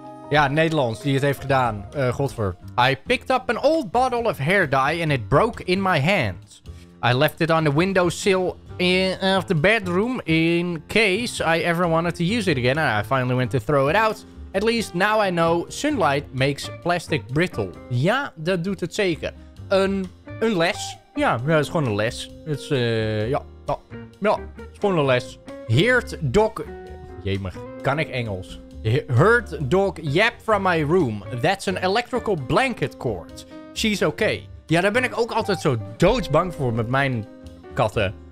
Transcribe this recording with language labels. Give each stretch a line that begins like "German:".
Dutch: Ja, Nederlands, die het heeft gedaan. Godver.
English: I picked up an old bottle of hair dye and it broke in my hand. I left it on the windowsill of the bedroom in case I ever wanted to use it again. And I finally went to throw it out. At least now I know sunlight makes plastic brittle.
Dutch: Ja, dat doet het zeker. Een les. Ja, dat is gewoon een les. Het is, ja, het is gewoon een les.
English: Heard dog...
Dutch: Jemig, kan ik Engels?
English: Heard dog yap from my room. That's an electrical blanket cord. She's okay.
Dutch: Ja, daar ben ik ook altijd zo doodsbang voor met mijn katten.